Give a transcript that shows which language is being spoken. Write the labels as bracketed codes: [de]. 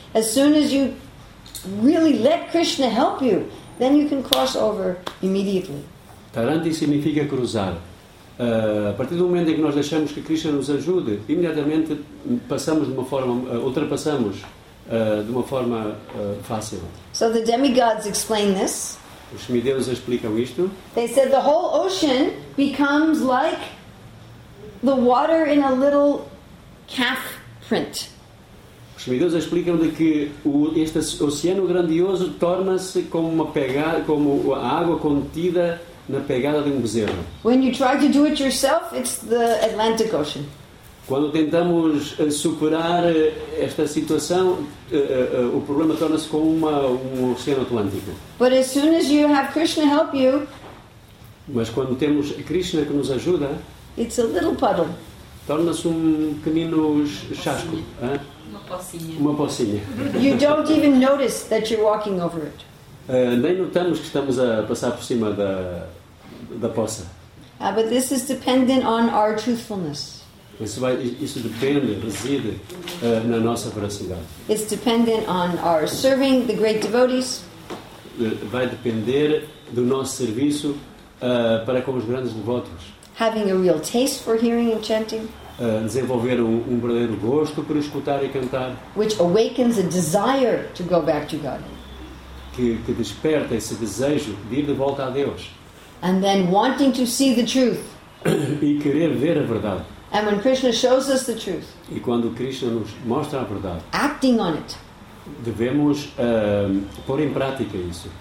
[en] As soon as you really let Krishna help you, then you can cross over immediately. [pt] Taranti significa cruzar. A partir do momento em que nós deixamos que Krishna nos ajude, imediatamente passamos de uma forma, ultrapassamos de uma forma fácil. [en] So the demigods explain this. [pt] Os semideuses explicam isto. [en] They said the whole ocean becomes like the water in a little calf print. [pt] Os semideuses explicam de que este oceano grandioso torna-se como uma pegada, como a água contida na pegada de um bezerro. [en] When you try to do it yourself, it's the Atlantic Ocean. [pt] Quando tentamos superar esta situação, o problema torna-se como um oceano Atlântico. [en] But as soon as you have Krishna help you, [pt] mas quando temos Krishna que nos ajuda, [en] it's a little puddle. [pt] Torna-se um pequenino chasco, uma pocinha. [en] You don't even notice that you're walking over it. [pt] Nem notamos que estamos a passar por cima da poça. [en] But this is dependent on our truthfulness. [pt] Isso depende, reside na nossa veracidade. [en] It's dependent on our serving the great devotees. [pt] Vai depender do nosso serviço para com os grandes devotos. [en] Having a real taste for hearing and chanting. [pt] Desenvolver um verdadeiro gosto por escutar e cantar. [en] Which awakens a desire to go back to God. [pt] Que desperta esse desejo de ir de volta a Deus. [en] And then wanting to see the truth. [pt] E querer ver a verdade. [en] And when Krishna shows us the truth. [pt] E quando Krishna nos mostra a verdade. [en] Acting on it. [pt] Devemos pôr em prática isso.